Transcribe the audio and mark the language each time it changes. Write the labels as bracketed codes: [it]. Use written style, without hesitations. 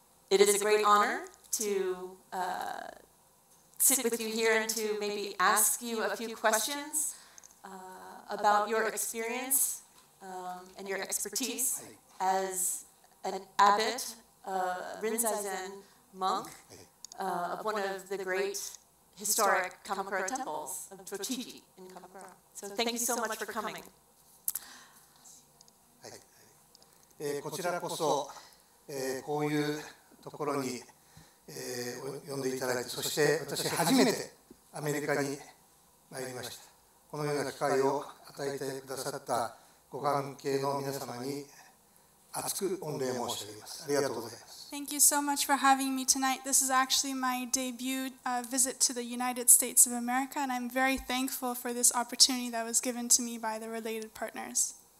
[en] It is a great honor to sit with you here and to maybe ask you a few questions about your experience and your expertise as an abbot, Rinzai Zen monk of one of the great historic Kamakura temples of ochi-ji in Kamakura. So thank you so much for coming. [ja] こちらこそ、こういうところに、呼んでいただいて、そして私初めてアメリカに参りました。このような機会を与えてくださったご関係の皆様に厚く御礼申し上げます。ありがとうございます。 [en] Thank you so much for having me tonight. This is actually my debut visit to the United States of America, and I'm very thankful for this opportunity that was given to me by the related partners.